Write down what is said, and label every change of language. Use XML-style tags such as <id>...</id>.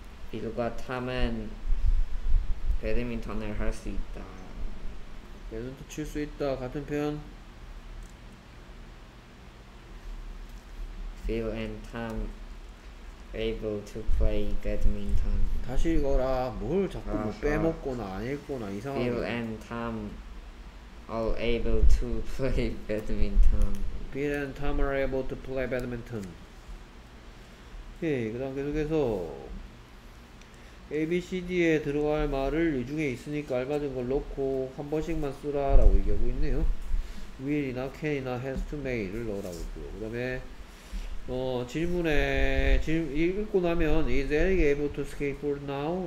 <ko>Phil과 Tom은 배드민턴을 할 수 있다. 배드민턴 칠 수 있다. 같은 표현.</ko> <en>Phil and Tom able to play badminton.</en> <ko>다시 읽어라. 뭘 자꾸 뭐 빼먹거나 안 읽거나 이상한.</ko> <en>Phil and Tom all able to play badminton. Phil and Tom are able to play badminton.</en> <ko>오케이, 그다음 계속해서 A, B, C, D에 들어갈 말을 이 중에 있으니까 알맞은 걸 넣고 한 번씩만 쓰라 라고 얘기하고 있네요. Will이나 can이나 has to may를 넣으라고 했고요. 그 다음에 질문에 읽고 나면</ko> <en>Is Eric able to skateboard now?</en>